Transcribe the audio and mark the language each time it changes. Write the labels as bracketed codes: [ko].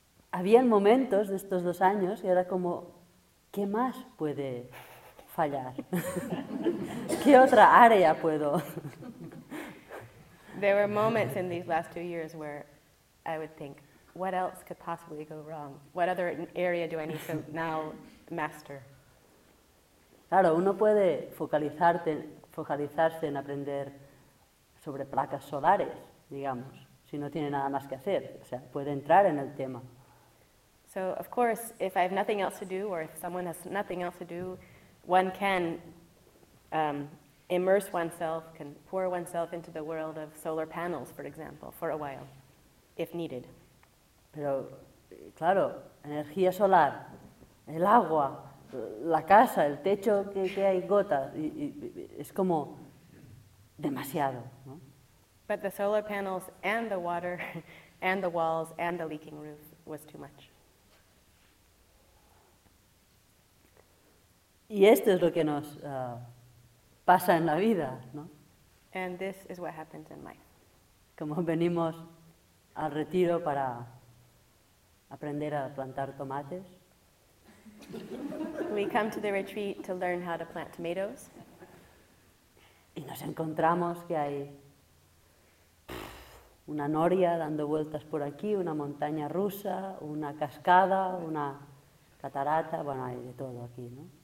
[es] Habían momentos de estos dos años y era como, ¿qué más puede fallar? ¿Qué otra área puedo...? [en] There were moments in these last 2 years where I would think, what else could possibly go wrong? What other area do I need to now master? [es] Claro, uno puede focalizarse en aprender sobre placas solares, digamos, si no tiene nada más que hacer. O sea, puede entrar en el tema. [en] So, of course, if I have nothing else to do, or if someone has nothing else to do, one can immerse oneself, can pour oneself into the world of solar panels, for example, for a while, if needed. [es] Pero, claro, energía solar, el agua, la casa, el techo, que hay gotas, y es como demasiado, ¿no? [en] But the solar panels and the water and the walls and the leaking roof was too much. [es] Y esto es lo que nos pasa en la vida, ¿no? [en] And this is what happens in life. [es] Como venimos al retiro para aprender a plantar tomates. [en] We come to the retreat to learn how to plant tomatoes. [es] Y nos encontramos que hay una noria dando vueltas por aquí, una montaña rusa, una cascada, una catarata, bueno, hay de todo aquí, ¿no?